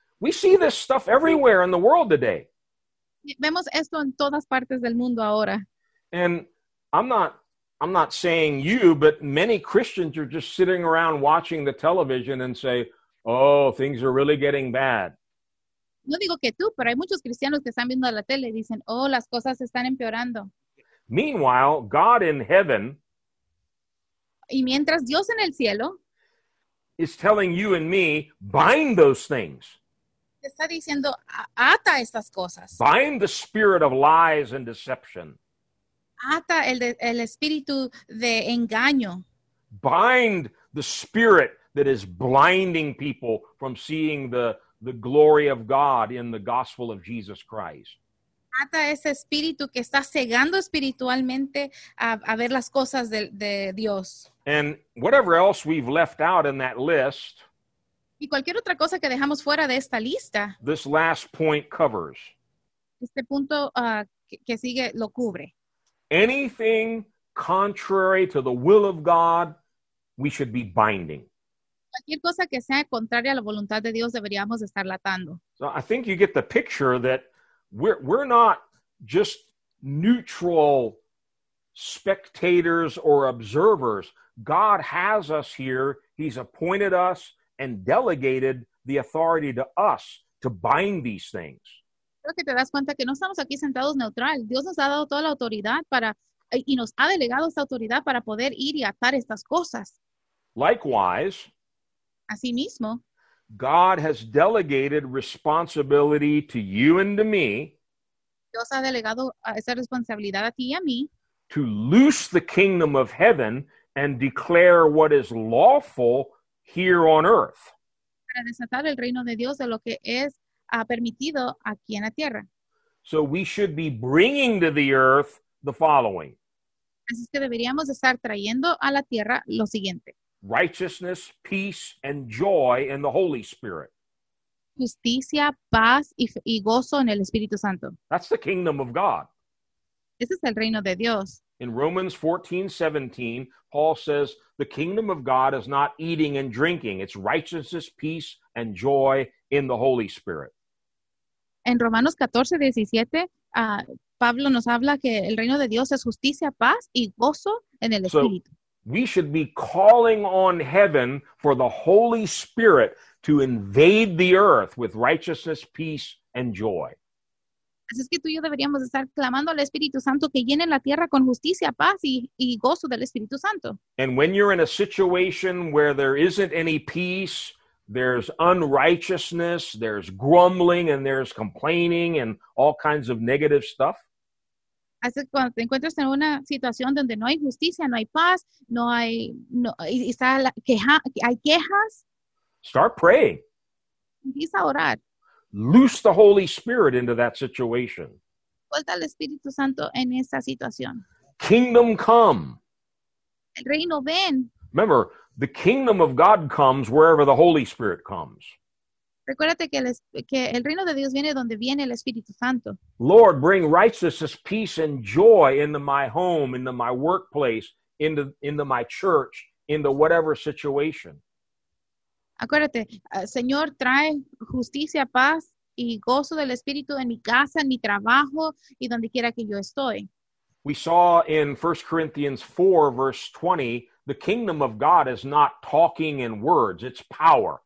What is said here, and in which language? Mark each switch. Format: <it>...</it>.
<en>We see this stuff everywhere in the world today.</en> <es>Vemos esto en todas partes del mundo ahora.</es> <en>And I'm not saying you, but many Christians are just sitting around watching the television and say, oh, things are really getting bad.</en> <es>No digo que tú, pero hay muchos cristianos que están viendo la tele y dicen, oh, las cosas están empeorando.</es> <en>Meanwhile, God in heaven.</en> <es>Y mientras Dios en el cielo</es> <en>is telling you and me, bind those things.</en> <es>Está diciendo, ata estas cosas.</es> <en>Bind the spirit of lies and deception.</en> <es>Ata el espíritu de engaño.</es> <en>Bind the spirit that is blinding people from seeing the glory of God in the gospel of Jesus Christ.</en> <es>Ata ese espíritu que está cegando espiritualmente a ver las cosas de Dios.</es> <en>And whatever else we've left out in that list,</en> <es>y cualquier otra cosa que dejamos fuera de esta lista,</es> <en>this last point covers.</en> <es>Este punto que sigue lo cubre.</es> <en>Anything contrary to the will of God, we should be binding.</en> <es>Cualquier cosa que sea contraria a la voluntad de Dios, deberíamos estar atando.</es> <en>So I think you get the picture that we're not just neutral spectators or observers. God has us here. He's appointed us and delegated the authority to us to bind these things.</en> <es>Creo que te das cuenta que no estamos aquí sentados neutral. Dios nos ha dado toda la autoridad para y nos ha delegado esta autoridad para poder ir y atar estas cosas.</es> <en>Likewise,</en> <es>asimismo,</es> <en>God has delegated responsibility to you and to me.</en> <es>Dios ha delegado esa responsabilidad a ti y a mí.</es> <en>To loose the kingdom of heaven and declare what is lawful here on earth.</en> <es>Para desatar el reino de Dios de lo que es permitido aquí en la tierra.</es> <en>So we should be bringing to the earth the following.</en> <es>Así es que deberíamos estar trayendo a la tierra lo siguiente.</es> <en>Righteousness, peace, and joy in the Holy Spirit.</en> <es>Justicia, paz y gozo en el Espíritu Santo.</es> <en>That's the kingdom of God.</en> <es>Ese es el reino de Dios.</es> <en>In Romans 14, 17, Paul says, the kingdom of God is not eating and drinking. It's righteousness, peace, and joy in the Holy Spirit.</en> <es>En Romanos 14, 17, Pablo nos habla que el reino de Dios es justicia, paz y gozo en el Espíritu.</es> <en>So we should be calling on heaven for the Holy Spirit to invade the earth with righteousness, peace, and joy.</en> <es>Así es que tú y yo deberíamos estar clamando al Espíritu Santo que llene la tierra con justicia, paz y gozo del Espíritu Santo.</es> <en>And when you're in a situation where there isn't any peace, there's unrighteousness, there's grumbling, and there's complaining, and all kinds of negative stuff.</en> <es>Así que cuando te encuentras en una situación donde no hay justicia, no hay paz, no hay, no, y está la queja, hay quejas.</es> <en>Start praying.</en> <es>Empieza a orar.</es> <en>Loose the Holy Spirit into that situation.</en> <es>Suelta al Espíritu Santo en esa situación.</es> <en>Kingdom come.</en> <es>El reino ven.</es> <en>Remember, the kingdom of God comes wherever the Holy Spirit comes.</en> <es>Recuérdate que el reino de Dios viene donde viene el Espíritu Santo.</es> <en>Lord, bring righteousness, peace, and joy into my home, into my workplace, into my church, into whatever situation.</en> <es>Acuérdate, Señor, trae justicia, paz y gozo del Espíritu en mi casa, en mi trabajo y donde quiera que yo estoy.</es> <en>We saw in 1 Corinthians 4, verse 20, the kingdom of God is not talking in words, it's power.</en>